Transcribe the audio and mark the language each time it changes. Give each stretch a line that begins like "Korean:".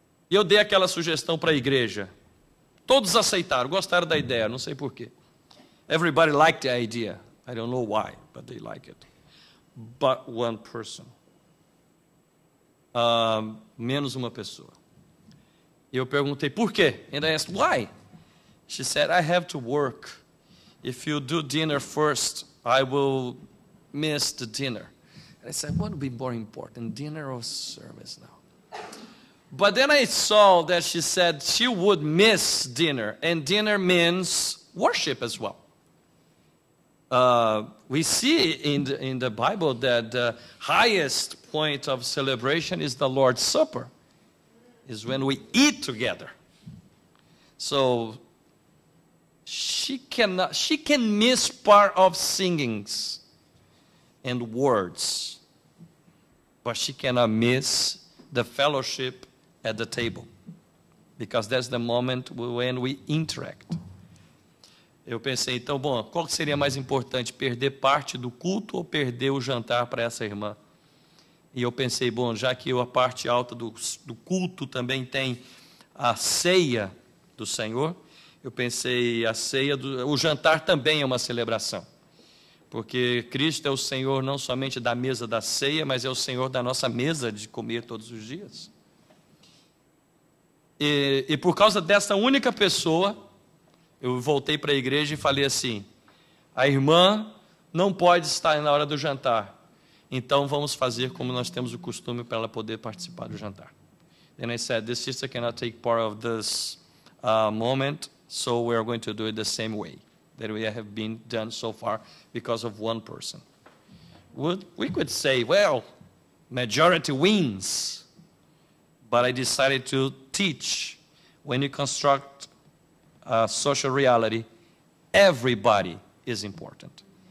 Portuguese: E eu dei aquela sugestão para a igreja. Todos aceitaram, gostaram da ideia, não sei por quê.
English: Everybody liked the idea. I don't know why, but they like it. But one person.
Portuguese: Menos uma pessoa. E eu perguntei, por quê?
English: And I asked, why? She said, I have to work. If you do dinner first, I will miss the dinner. And I said, what would be more important, dinner or service now? But then I saw that she said she would miss dinner, and dinner means worship as well. We see in the Bible that the highest point of celebration is the Lord's Supper, is when we eat together. So she can miss part of singings and words, but she cannot miss the fellowship at the table, because that's the moment when we interact.
Portuguese: Eu pensei, então, bom, qual seria mais importante, perder parte do culto ou perder o jantar para essa irmã? E eu pensei, bom, já que a parte alta do culto também tem a ceia do Senhor, eu pensei, o jantar também é uma celebração. Porque Cristo é o Senhor não somente da mesa da ceia, mas é o Senhor da nossa mesa de comer todos os dias. E por causa dessa única pessoa, eu voltei para a igreja e falei assim, a irmã não pode estar na hora do jantar, então vamos fazer como nós temos o costume para ela poder participar do jantar.
English: Then I said, this sister cannot take part of this moment, so we are going to do it the same way that we have been done so far because of one person. We could say, well, majority wins, but I decided to teach, when you construct a social reality, everybody is important.